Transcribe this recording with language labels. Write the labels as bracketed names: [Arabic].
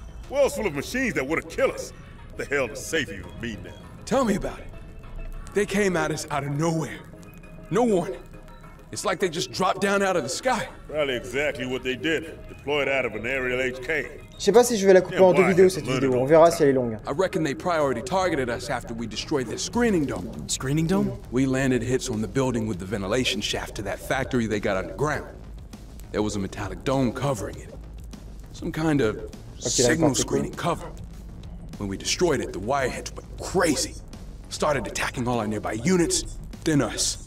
[English] World's full of machines that would have killed us. The hell to save you from me now. Tell me about it. They came at us out of nowhere. No warning. It's like they just dropped down out of the sky. Probably exactly what they did. Deployed out of an aerial HK. [French] Je sais pas si je vais la couper en deux vidéos cette vidéo, on verra si elle est longue. [English] I reckon they priority targeted us after we destroyed their screening dome. Screening dome? We landed hits on the building with the ventilation shaft to that factory they got underground. There was a metallic dome covering it. Some kind of signal screening cover. When we destroyed it, the wireheads went crazy. Started attacking all our nearby units, then us.